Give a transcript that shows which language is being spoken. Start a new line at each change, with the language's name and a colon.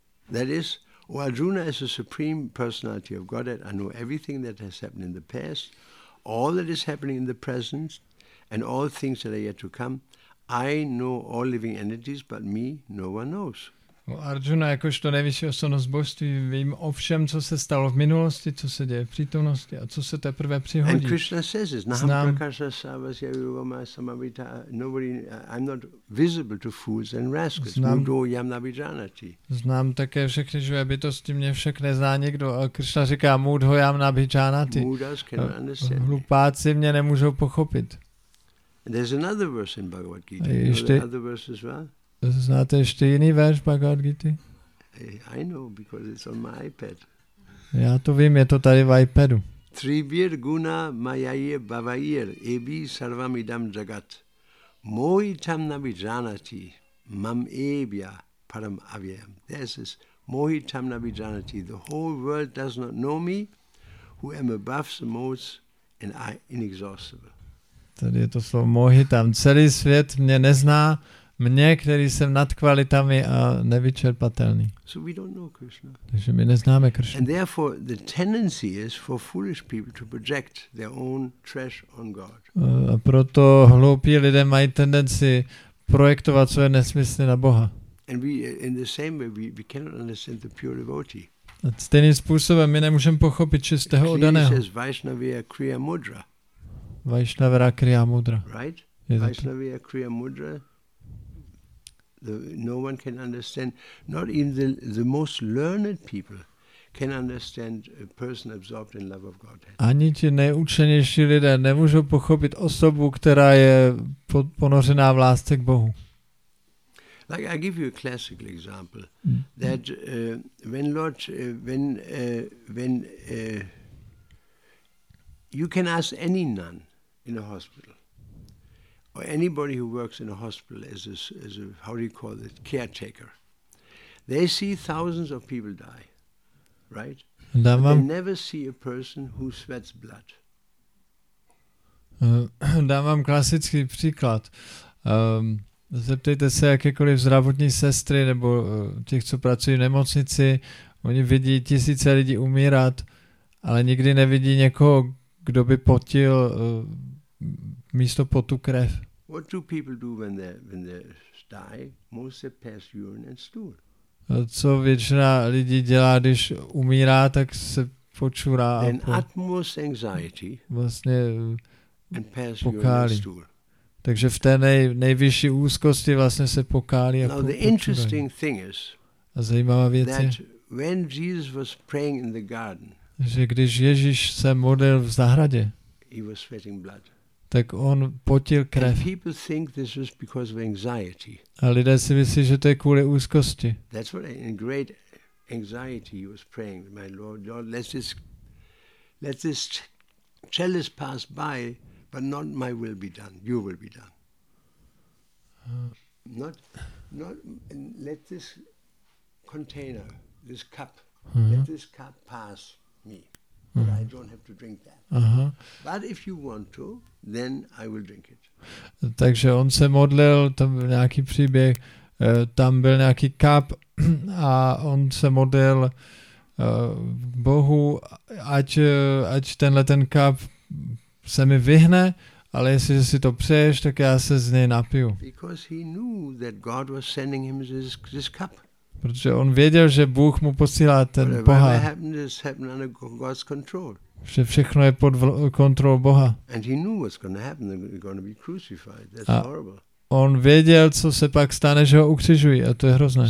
English: That is, O Arjuna, as the Supreme Personality of Godhead, I know everything that has happened in the past, all that is happening in the present, and all things that are yet to come. I know all living entities, but me, no one knows.
Czech: O Arjuna, jakožto nejvyšší osobnost božství, vím o všem, co se stalo v minulosti, co se děje v přítomnosti a co se teprve přihodí.
English: And Krishna says this,
Sanskrit: Naham prakasa savasya yugama samavita,
English: nobody, I'm not visible to fools and rascals,
Sanskrit: mudo yam nabhijanati.
Czech: Znám také všechny živé bytosti, mě však nezná nikdo. A Krishna říká,
Sanskrit: mudo yam nabhijanati.
English: Mudas cannot understand.
Czech: Hlupáci mě nemůžou pochopit.
English: And there's another verse in Bhagavad Gita, you know the other verse as well?
Czech: Znáte ještě jiný verš Bhagavad Gita?
English: I know, because it's on my iPad.
Czech: Já to vím, je to tady v iPadu.
Sanskrit: Tribir guna mayair bavair ebi sarvam idam jagat mohitam nabijanati mam ebya param avyayam.
English: There's this,
Sanskrit: mohitam nabijanati.
English: The whole world does not know me, who am above the modes and I inexhaustible.
Czech: Tady je to slovo mohitam. Celý svět mě nezná, mně, který jsem nad kvalitami a nevyčerpatelný.
English: So we don't know Krishna.
Czech: Takže my neznáme Krishna.
English: And therefore the tendency is for foolish people to project their own trash on God.
Czech: A proto hloupí lidé mají tendenci projektovat své nesmysly na Boha.
English: And we, in the same way, we cannot understand the pure devotee.
Czech: A stejným způsobem my nemůžeme pochopit čistého oddaného.
Sanskrit: Krishna says Vaishnavya Kriya Mudra. Vaishnavya Kriya Mudra. Right? Vaishnavya Kriya Mudra.
English: No one can understand, not even the most learned people can understand a person absorbed in love of Godhead.
Czech: Ani ti nejučenější lidé nemůžou pochopit osobu, která je ponořená v lásce k Bohu.
English: Like I give you a classical example that when you can ask any nun in a hospital. Or anybody who works in a hospital as a how do you call it, caretaker. They see thousands of people die, right?
Czech: Dám vám,
English: they never see a person who sweats blood.
Czech: Dám vám klasický příklad. Zeptejte se jakékoliv zdravotní sestry nebo těch, co pracují v nemocnici. Oni vidí tisíce lidí umírat, ale nikdy nevidí někoho, kdo by potil místo potu krev.
English: What do people do when they die? Most they pass urine and stool.
Czech: Co většina lidí dělá, když umírá, tak se počurá a
English: utmost anxiety.
Czech: Vlastně
English: and pass
Czech: pokálí.
English: Urine and stool.
Czech: Takže v té nejvyšší úzkosti vlastně se pokálí a
English: now the interesting thing is.
Czech: A zajímavá věc
English: that
Czech: je,
English: when Jesus was praying in the garden.
Czech: Že když Ježíš se modlil v zahradě.
English: He was sweating blood.
Czech: Tak on potil krev.
English: And people think this was because of anxiety.
Czech: A lidé si myslí, že to je kvůli úzkosti.
English: That's what in great anxiety he was praying, my Lord, Lord, let this chalice pass by, but not my will be done, your will be done. Not let this container, this cup, let this cup pass me. But I don't have to drink that. Aha. But if you want to, then I will drink it.
Czech: Takže on se modlil, tam byl nějaký příběh, tam byl nějaký kap a on se modlil Bohu, ať tenhle ten kap se mi vyhne, ale jestliže si to přeješ, tak já se z něj napiju.
English: Because he knew that God was sending him this cup.
Czech: Protože on věděl, že Bůh mu posílá ten pohár.
English: Happened, God's control.
Czech: že všechno je pod kontrolou Boha.
English: And he knew what's going to happen, they're going to be crucified. That's horrible.
Czech: On věděl, co se pak stane, že ho ukřižují, a to je hrozné.